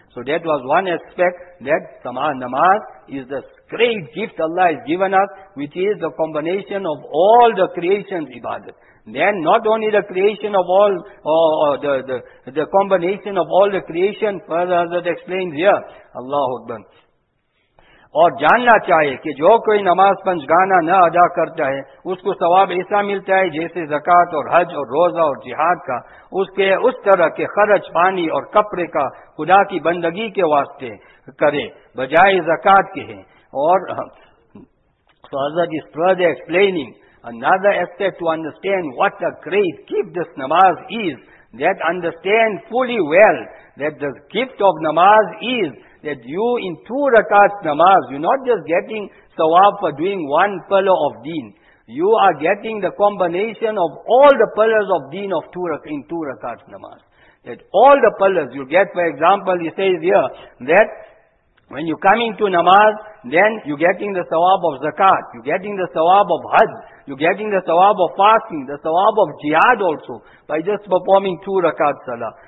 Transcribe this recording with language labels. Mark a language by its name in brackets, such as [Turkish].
[English] So that was one aspect, that Sama'a Namaz is the great gift Allah has given us, which is the combination of all the creation's ibadat. Then not only the creation of all, the combination of all the creation, further as it explains here, Allahu Akbar. [Urdu] اور جاننا چاہے کہ جو کوئی نماز پنج گانا نہ ادا کرتا ہے اس کو ثواب ایسا ملتا ہے جیسے زکاة اور حج اور روزہ اور جہاد کا اس کے اس طرح کے خرچ پانی اور کپڑے کا خدا کی بندگی کے واسطے کرے بجائے زکاة کے ہیں اور [English] so Hazrat is further explaining another aspect to understand what a great gift this namaz is that understand fully well that the gift of namaz is that you in two rakats namaz, you're not just getting sawab for doing one pillar of deen. You are getting the combination of all the pillars of deen of two rakats namaz. That all the pillars you get, for example, he says here, that when you come into namaz, then you're getting the sawab of zakat, you're getting the sawab of hajj, you're getting the sawab of fasting, the sawab of jihad also, by just performing two rakat salah.